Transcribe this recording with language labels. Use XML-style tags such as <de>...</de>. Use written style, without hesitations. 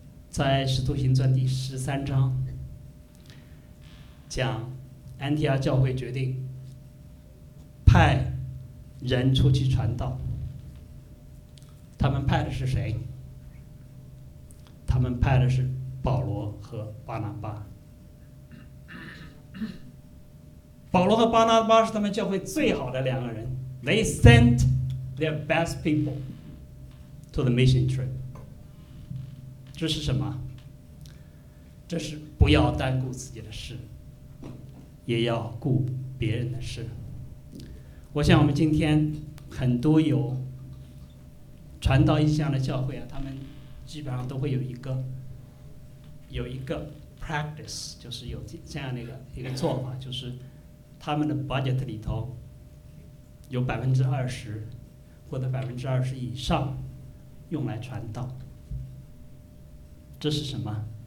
<zh>在《使徒行传》第十三章，讲安提阿教会决定派人出去传道。他们派的是谁？他们派的是保罗和巴拿巴。保罗和巴拿巴是他们教会最好的两个人。</zh> <en>They sent their best people to the mission trip。</en> <zh>这是什么？这是不要单顾自己的事，也要顾别人的事。我想我们今天很多有传道意向的教会啊，他们基本上都会有一个 practice， 就是有这样的一个做法，就是他们的 budget 里头有20%或者20%以上用来传道。这是什么？</zh>